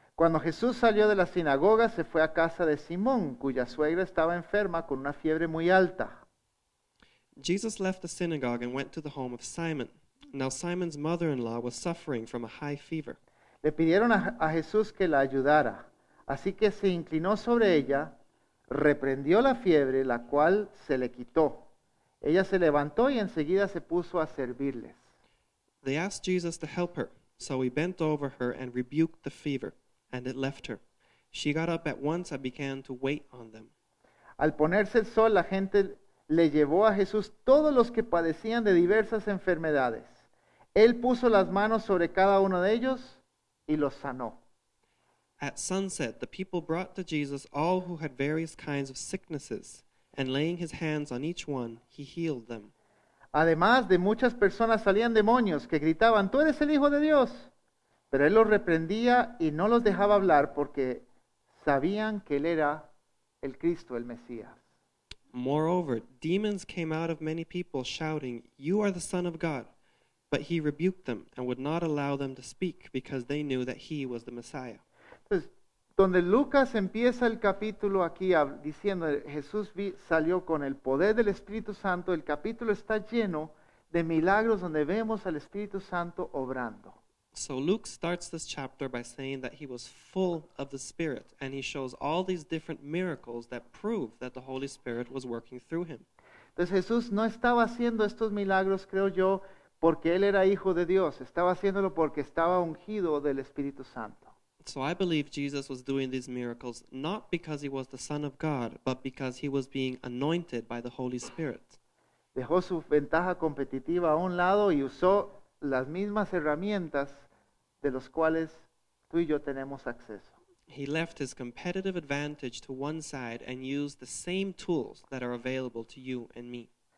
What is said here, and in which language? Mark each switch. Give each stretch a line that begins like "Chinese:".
Spanish: Cuando Jesús salió de la sinagoga, se fue a casa de Simón, cuya suegra estaba enferma con una fiebre muy alta.
English: Jesus left the synagogue and went to the home of Simon. Now Simon's mother-in-law was suffering from a high fever.
Spanish: Le pidieron a Jesús que la ayudara. Así que se inclinó sobre ella, reprendió la fiebre, la cual se le quitó. Ella se levantó y enseguida se puso a servirles.
English: They asked Jesus to help her, so he bent over her and rebuked the fever, and it left her. She got up at once and began to wait on them.
Spanish: Al ponerse el sol, la gente le llevó a Jesús todos los que padecían de diversas enfermedades. Él puso las manos sobre cada uno de ellos y los sanó.
English: At sunset, the people brought to Jesus all who had various kinds of sicknesses, and laying his hands on each one, he healed them.
Spanish: Además de muchas personas salían demonios que gritaban, "Tú eres el Hijo de Dios." Pero él los reprendía y no los dejaba hablar porque sabían que él era el Cristo, el Mesías.
English: Moreover, demons came out of many people shouting, "You are the Son of God." But he rebuked them and would not allow them to speak because they knew that he was the Messiah.
Spanish: Entonces, donde Lucas empieza el capítulo aquí diciendo Jesús salió con el poder del Espíritu Santo, el capítulo está lleno de milagros donde vemos al Espíritu Santo obrando.
English: So Luke starts this chapter by saying that he was full of the Spirit, and he shows all these different miracles that prove that the Holy Spirit was working through him.
Spanish: Entonces Jesús no estaba haciendo estos milagros, creo yo, porque él era hijo de Dios. Estaba haciéndolo porque estaba ungido del Espíritu Santo.
English: So I believe Jesus was doing these miracles not because he was the Son of God, but because he was being anointed by the Holy Spirit.
Spanish: Dejó su ventaja competitiva a un lado y usó las mismas herramientas de los cuales tú y yo tenemos acceso.
English: He left his competitive advantage to one side and used the same tools that are available to you and me.